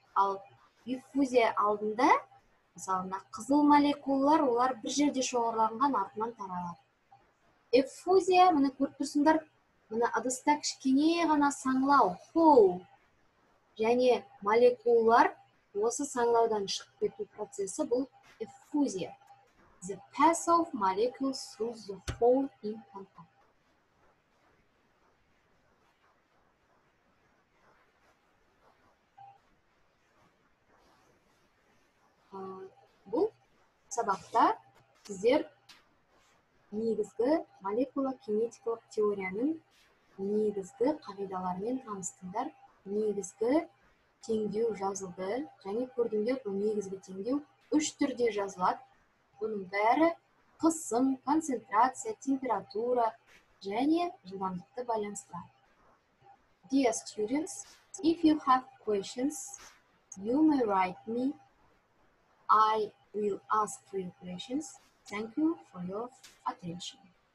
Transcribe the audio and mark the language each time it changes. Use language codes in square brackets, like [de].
[kk] Ал диффузия алдында, мысалы, қызыл молекулалар, олар бір жерде шоғырланған артынан таралады. Эффузия, мұны көріп тұрсыңдар, мұны ыдыста кішкене ғана саңылау, хоу. Және молекулалар осы саңылаудан шығып кету процесі бұл эффузия. [en] The pass of molecules through the hole in contact. [kk] Бұл сабақта сіздер негізгі молекула кинетикалық теорияның негізгі қағидаларымен таныстыңдар. Негізгі теңдеу жазылды және көрдіңдер, бұл негізгі теңдеу үш түрде жазылады. Бұның бәрі қысым, концентрация, температура және жылдамдықты байланыстырады. [en] Dear students, if you have questions, you may write me. I will ask three questions. Thank you for your attention.